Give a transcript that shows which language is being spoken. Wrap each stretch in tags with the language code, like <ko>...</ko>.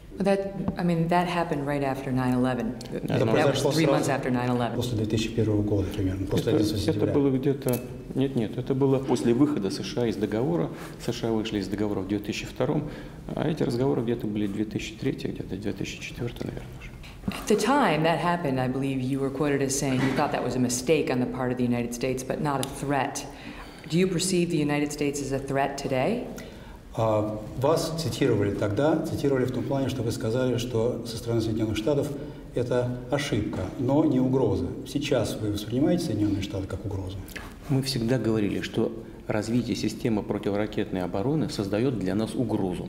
<en>That happened right after 9/11.</en> <ru>Это произошло</ru> <en>3 months after 9/11.</en> <ru>После 2001 года примерно, после 11 сентября. Это было где-то... Нет, это было после выхода США из договора. США вышли из договора в 2002, а эти разговоры где-то были 2003, где-то 2004, наверное.</ru> <en>At the time that happened, I believe you were quoted as saying you thought that was a mistake on the part of the United States, but not a threat. Do you perceive the United States as a threat today?</en> <ru>Вас цитировали тогда, цитировали в том плане, что вы сказали, что со стороны Соединенных Штатов это ошибка, но не угроза. Сейчас вы воспринимаете Соединенные Штаты как угрозу? Мы всегда говорили, что развитие системы противоракетной обороны создает для нас угрозу.</ru>